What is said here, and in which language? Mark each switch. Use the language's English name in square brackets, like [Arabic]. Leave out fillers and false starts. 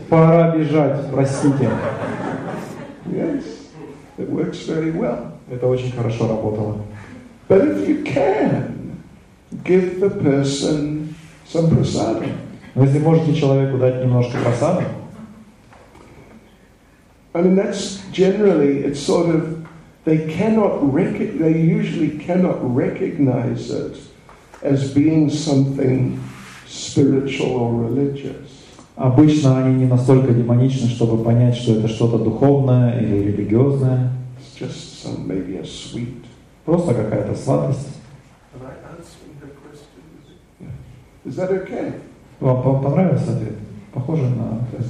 [Russian] Пора бежать, простите. [English] Yes, it works very well. [Russian] Это очень хорошо работало. [English] But if you can, give the person some prasada. [Russian] Но если можете человеку дать немножко просады. [English] That's generally it's sort of they usually cannot recognize it as being something spiritual or religious. [Russian] Обычно они не настолько демоничны, чтобы понять, что это что-то духовное или религиозное. [English] It's just some maybe a sweet. [Russian] Просто какая-то сладость. [English] Can I answer the question? Is that okay? [Russian] Вам понравился ответ? Похоже на...